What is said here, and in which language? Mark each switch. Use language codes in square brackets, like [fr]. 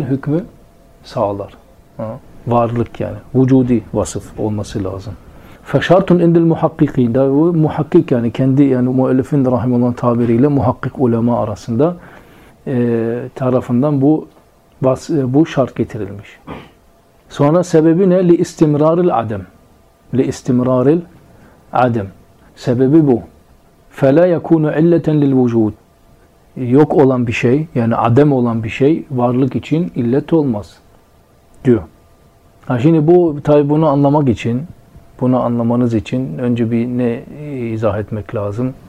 [tr] Hükmü sağlar. Ha? Varlık yani. Vücudi vasıf olması lazım. [ar] فَشَارْتُنْ اِنْدِ الْمُحَقِّقِينَ [tr] Muhakkik yani kendi yani müellifin rahimullah'ın tabiriyle muhakkik ulema arasında tarafından bu şart getirilmiş. Sonra sebebi ne? [ar] لِاِسْتِمْرَارِ الْعَدَمِ لِاِسْتِمْرَارِ الْعَدَمِ [tr] Sebebi bu. [ar] فَلَا يَكُونُ عِلَّةً لِلْوُجُودِ [tr] Yok olan bir şey, yani adem olan bir şey, varlık için illet olmaz, diyor. Ha şimdi bu, tabi bunu anlamak için, bunu anlamanız için önce bir ne izah etmek lazım.